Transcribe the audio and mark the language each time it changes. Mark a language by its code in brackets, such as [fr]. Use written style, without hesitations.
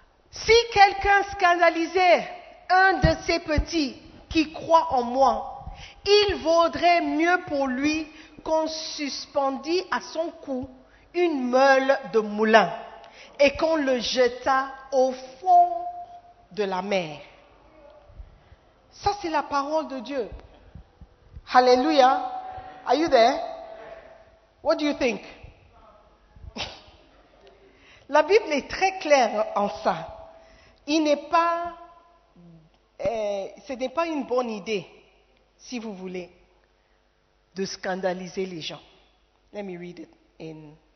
[fr] Si quelqu'un scandalisait un de ces petits qui croient en moi, il vaudrait mieux pour lui qu'on suspendît à son cou une meule de moulin et qu'on le jetât au fond de la mer. Ça, c'est la parole de Dieu. Hallelujah. [en] Are you there? What do you think? [fr] La Bible est très claire en ça. Il n'est pas, ce n'est pas une bonne idée, si vous voulez, de scandaliser les gens. [en] Let me read it in.